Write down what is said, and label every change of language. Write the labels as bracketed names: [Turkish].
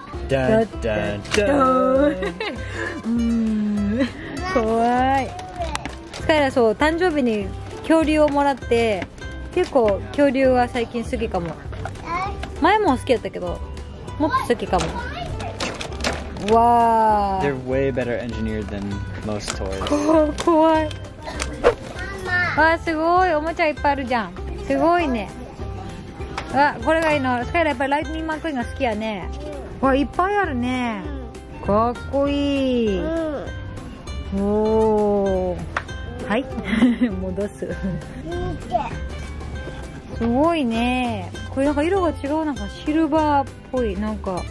[Japanese] ダッダッダッダーン、怖い。スカイラ、そう、誕生日に恐竜をもらって、結構恐竜は最近好きかも。前も好きやったけど、もっと好きかも。わー、 [English] They're way better engineered than most toys. [Japanese] 怖い。わー、すごい、おもちゃいっぱいあるじゃん、すごいね。あ、これがいいの。スカイラ、やっぱりライトニングマックイーンが好きやね。わ、いっぱいあるね、うん、かっこいい、うん、おお、はい戻す見てすごいね、これなんか色が違う、なんかシルバーっぽい、なんか